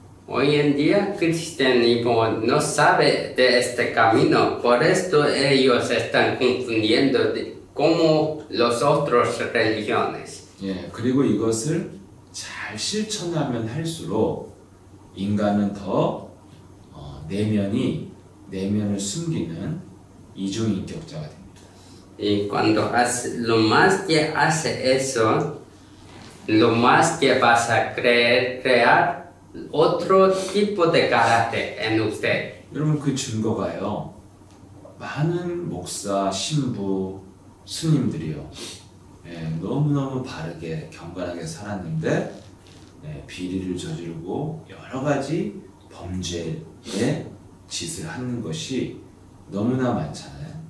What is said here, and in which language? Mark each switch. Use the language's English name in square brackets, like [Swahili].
[Spanish] Hoy en día, cristianismo no sabe de este camino, por esto ellos están confundiendo como las otras religiones. [Korean] 예, 그리고 이것을 잘 실천하면 할수록 인간은 더 내면을 숨기는 이중인격자가 됩니다. [Spanish] Y cuando lo más que hace eso, lo más que vas a crear otro tipo de carácter en usted. [Korean] 여러분 그 증거가요. 많은 목사, 신부, 스님들이요. 예, 너무너무 바르게 경건하게 살았는데 예, 비리를 저지르고 여러 가지 범죄의 짓을 하는 것이 너무나 많잖아요.